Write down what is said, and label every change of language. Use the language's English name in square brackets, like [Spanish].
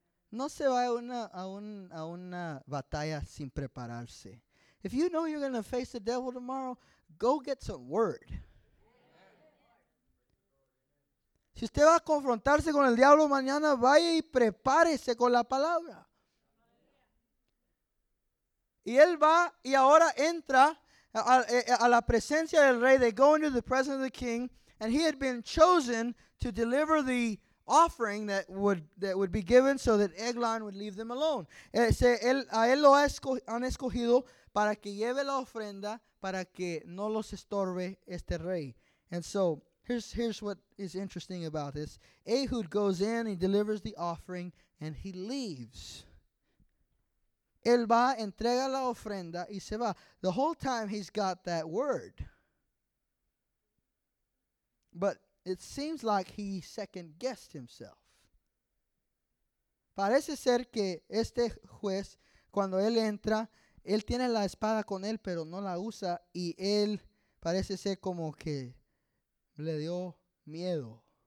[Spanish] No se va a una batalla sin prepararse. [English] If you know you're going to face the devil tomorrow, go get some word. [Spanish] Si usted va a confrontarse con el diablo mañana, vaya y prepárese con la palabra. Y él va y ahora entra a la presencia del rey. [English] They go into the presence of the king, and he had been chosen to deliver the offering that would be given so that Eglon would leave them alone. [Spanish] A él lo han escogido para que lleve la ofrenda para que no los estorbe este rey. [English] And so here's what is interesting about this. Ehud goes in, he delivers the offering, and he leaves. [Spanish] Él va, entrega la ofrenda, y se va. [English] The whole time he's got that word. But it seems like he second-guessed himself. [Spanish] Parece ser que este juez, cuando él entra, él tiene la espada con él, pero no la usa, y él parece ser como que le dio miedo.